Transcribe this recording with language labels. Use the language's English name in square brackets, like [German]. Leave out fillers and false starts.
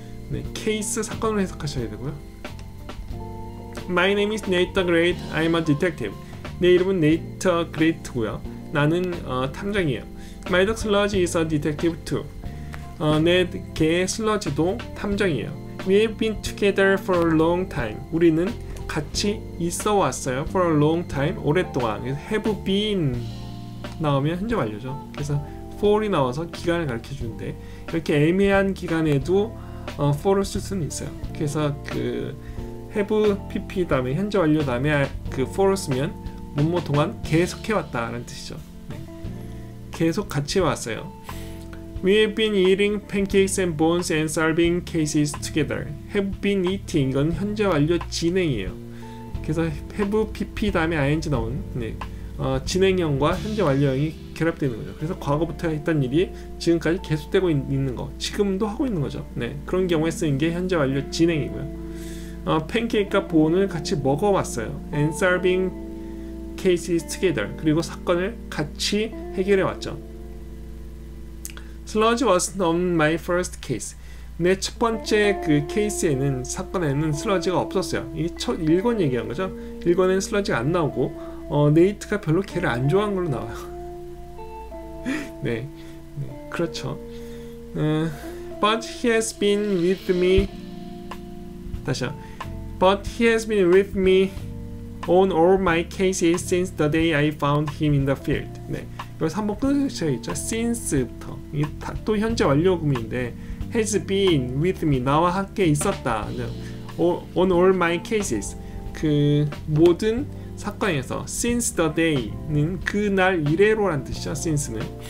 [Korean] 네, 케이스 사건으로 해석하셔야 되고요. [English] My name is Nate the Great. I'm a detective. [Korean] 내 이름은 [English] Nate the Great고요. [Korean] 나는 탐정이에요. [English] My dog Sludge is a detective too. [Korean] 내 개 슬러지도 탐정이에요. [English] We have been together for a long time. [Korean] 우리는 같이 있어 왔어요. [English] For a long time, [Korean] 오랫동안. [English] Have been [Korean] 나오면 현재 완료죠. 그래서 for이 나와서 기간을 가르쳐 주는데 이렇게 애매한 기간에도 for를 쓸 수는 있어요. 그래서 그 have pp 다음에 현재 완료 다음에 그 for를 쓰면 뭐뭐 동안 계속해 왔다라는 뜻이죠. 네. 계속 같이 왔어요. [English] We have been eating pancakes and bones and solving cases together. Have been eating. [Korean] 이건 현재 완료 진행이에요. 그래서 have, pp 다음에 ing 나온 네. 진행형과 현재 완료형이 결합되는 거죠. 그래서 과거부터 했던 일이 지금까지 계속되고 있는 거. 지금도 하고 있는 거죠. 네. 그런 경우에 쓰는 게 현재 완료 진행이고요. [English] Pancake과 bone을 [Korean] 같이 먹어봤어요. [English] And solving cases together. [Korean] 그리고 사건을 같이 해결해왔죠. [English] Sludge was on my first case. [Korean] 내 첫 번째 그 케이스에는 사건에는 슬러지가 없었어요. 이게 첫 1권 얘기한 거죠. 1권에는 슬러지가 안 나오고 네이트가 별로 걔를 안 좋아한 걸로 나와요. 네. 네, 그렇죠. [English] But he has been with me. [Korean] 다시요. [English] But he has been with me on all my cases since the day I found him in the field. [Korean] 네. 여기서 한번 끊으셔야 있죠. [English] Since부터. [Korean] 이게 또 현재 완료구문인데 [English] has been with me. [Korean] 나와 함께 있었다. [English] On all my cases. [Korean] 그 모든 사건에서 [English] since the day [Korean] 는 그날 이래로란 뜻이죠. Since는.